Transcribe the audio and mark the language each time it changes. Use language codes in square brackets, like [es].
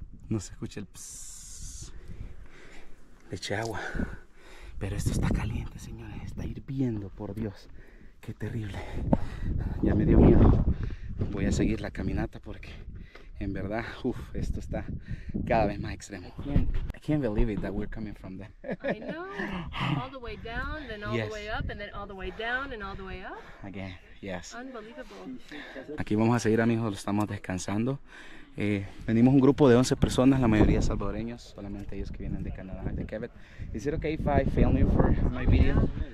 [es] No se escucha el psss. Le eché agua. Pero esto está caliente, señores. Está hirviendo, por Dios. Qué terrible. Ya me dio miedo. Voy a seguir la caminata porque en verdad, uf, esto está cada vez más extremo. [en] I can't believe it that we're coming from there. I know. All the way down, then all yes. The way up, and then all the way down, and all the way up. Again, yes. Unbelievable. [es] Aquí vamos a seguir, amigos. Lo estamos descansando. Venimos un grupo de 11 personas, la mayoría salvadoreños, solamente ellos que vienen de Canadá, de Quebec. [en] Is it okay if I film you for my video?